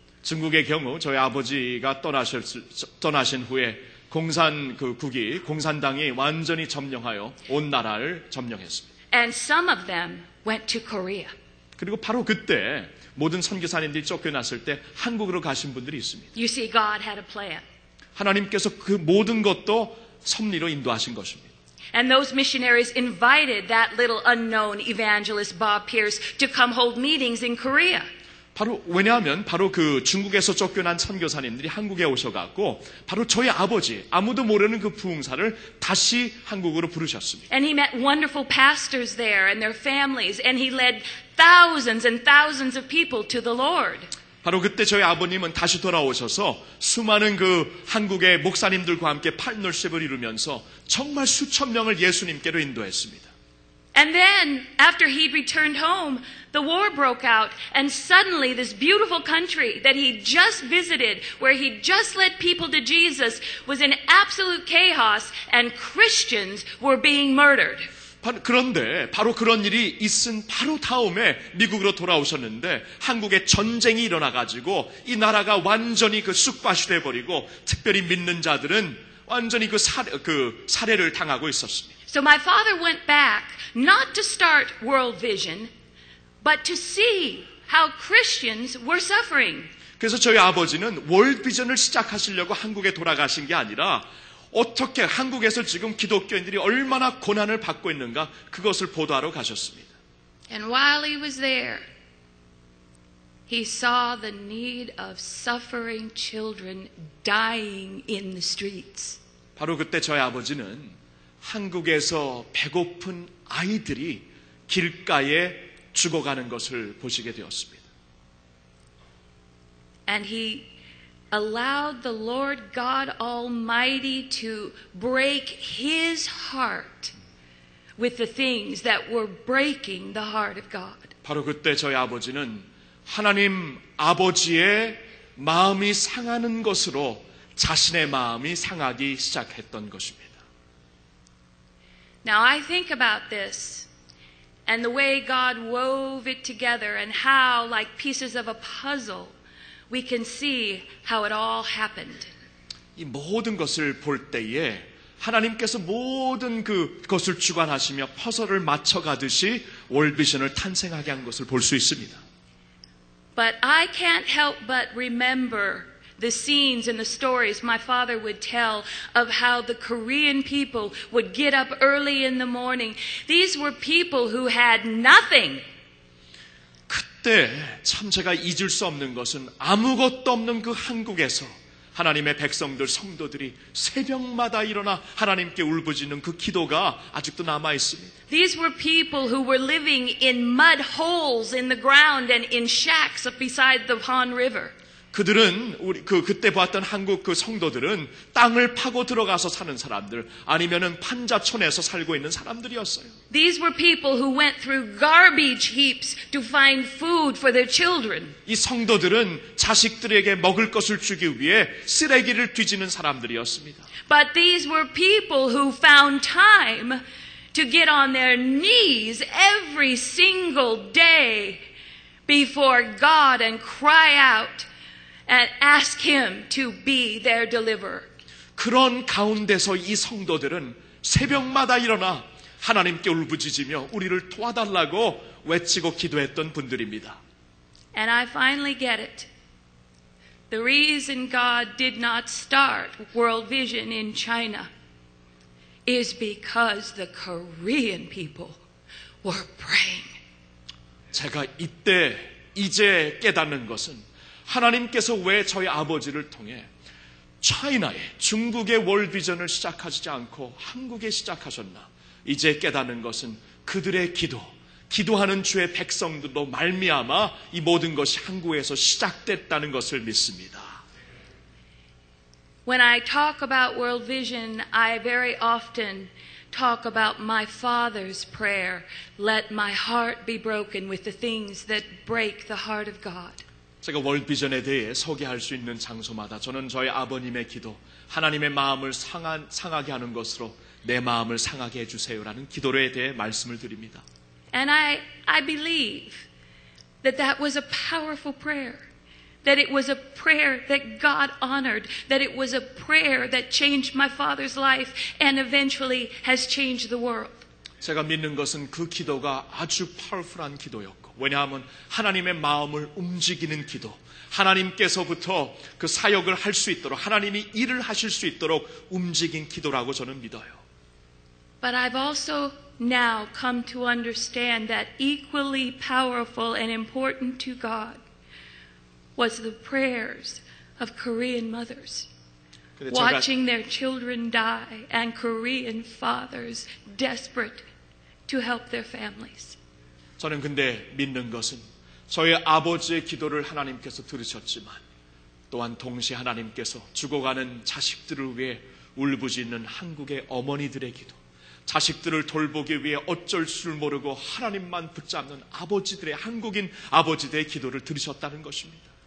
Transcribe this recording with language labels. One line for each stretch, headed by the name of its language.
Korean: 중국의 경우 저희 아버지가 떠나신 후에 공산당이 완전히 점령하여 온 나라를 점령했습니다.
English: And some of them went to Korea.
Korean: 그리고 바로 그때 모든 선교사님들이 쫓겨났을 때 한국으로 가신 분들이 있습니다.
English: You see, God had a plan.
Korean: 하나님께서 그 모든 것도 섭리로 인도하신 것입니다.
English: And those missionaries invited that little unknown evangelist Bob Pierce to come hold meetings in Korea.
Korean: 바로 왜냐하면 바로 그 중국에서 쫓겨난 선교사님들이 한국에 오셔갖고 바로 저희 아버지 아무도 모르는 그 부흥사를 다시 한국으로 부르셨습니다.
English: And he met wonderful pastors there and their families, and he led thousands and thousands of people to the Lord.
Korean: 바로 그때 저희 아버님은 다시 돌아오셔서 수많은 그 한국의 목사님들과 함께 파트너십을 이루면서 정말 수천 명을 예수님께로 인도했습니다.
English: And then after he'd returned home, the war broke out, and suddenly this beautiful country that he'd just visited, where he'd just led people to Jesus, was in absolute chaos, and Christians were being murdered.
Korean: 그런데 바로 그런 일이 있은 바로 다음에 미국으로 돌아오셨는데 한국에 전쟁이 일어나가지고 이 나라가 완전히 그 쑥밭이 돼버리고 특별히 믿는 자들은 완전히 그 살해를 당하고 있었습니다.
English: So my father went back not to start World Vision, but to see how Christians were suffering.
Korean: 그래서 저희 아버지는 World Vision을 시작하시려고 한국에 돌아가신 게 아니라 어떻게 한국에서 지금 기독교인들이 얼마나 고난을 받고 있는가 그것을 보도하러 가셨습니다.
English: And while he was there, he saw the need of suffering children dying in the streets.
Korean: 바로 그때 저희 아버지는 한국에서 배고픈 아이들이 길가에 죽어가는 것을 보시게 되었습니다.
English: And he allowed the Lord God Almighty to break his heart with the things that were breaking the heart of God.
Korean: 바로 그때 저희 아버지는 하나님 아버지의 마음이 상하는 것으로 자신의 마음이 상하기 시작했던 것입니다.
English: Now I think about this and the way God wove it together and how, like pieces of a puzzle, we can see how it all happened.
Korean: 이 모든 것을 볼 때에 하나님께서 모든 그것을 주관하시며 퍼즐을 맞춰 가듯이 월비전을 탄생하게 한 것을 볼 수 있습니다.
English: But I can't help but remember the scenes and the stories my father would tell of how the Korean people would get up early in the morning. These were people who had nothing.
Korean: 때 참 제가 잊을 수 없는 것은 아무것도 없는 그 한국에서 하나님의 백성들 성도들이 새벽마다 일어나 하나님께 울부짖는 그 기도가 아직도 남아 있습니다.
English: These were people who were living in mud holes in the ground and in shacks beside the Han River.
Korean: 그들은 우리 그때 보았던 한국 그 성도들은 땅을 파고 들어가서 사는 사람들 아니면은 판자촌에서 살고 있는 사람들이었어요.
English: These were people who went through garbage heaps to find food for their children.
Korean: 이 성도들은 자식들에게 먹을 것을 주기 위해 쓰레기를 뒤지는 사람들이었습니다.
English: But these were people who found time to get on their knees every single day before God and cry out and ask him to be their deliverer.
Korean: 그런 가운데서 이 성도들은 새벽마다 일어나 하나님께 울부짖으며 우리를 도와달라고 외치고 기도했던 분들입니다.
English: And I finally get it. The reason God did not start World Vision in China is because the Korean people were praying.
Korean: 제가 이때 이제 깨닫는 것은 하나님께서 왜 저희 아버지를 통해 차이나의 중국의 월드비전을 시작하지 않고 한국에 시작하셨나 이제 깨닫는 것은 그들의 기도, 기도하는 주의 백성들도 말미암아 이 모든 것이 한국에서 시작됐다는 것을 믿습니다.
English: When I talk about world vision, I very often talk about my father's prayer, let my heart be broken with the things that break the heart of God.
Korean: 제가 월드비전에 대해 소개할 수 있는 장소마다 저는 저희 아버님의 기도 하나님의 마음을 상하게 하는 것으로 내 마음을 상하게 해주세요라는 기도에 대해 말씀을 드립니다.
English: And I believe that that was a powerful prayer. That it was a prayer that God honored. That it was a prayer that changed my father's life and eventually has changed the world.
Korean: 제가 믿는 것은 그 기도가 아주 파워풀한 기도였고 왜냐하면 하나님의 마음을 움직이는 기도, 하나님께서부터 그 사역을 할 수 있도록 하나님이 일을 하실 수 있도록 움직인 기도라고 저는 믿어요.
English: But I've also now come to understand that equally powerful and important to God was the prayers of Korean mothers. Watching their children die and Korean fathers desperate to help their families.
Korean: 저는 근데 믿는 것은 저희 아버지의 기도를 하나님께서 들으셨지만 또한 동시에 하나님께서 죽어가는 자식들을 위해 울부짖는 한국의 어머니들의 기도, 자식들을 돌보기 위해 어쩔 줄 모르고 하나님만 붙잡는 아버지들의 한국인 아버지들의 기도를 들으셨다는 것입니다.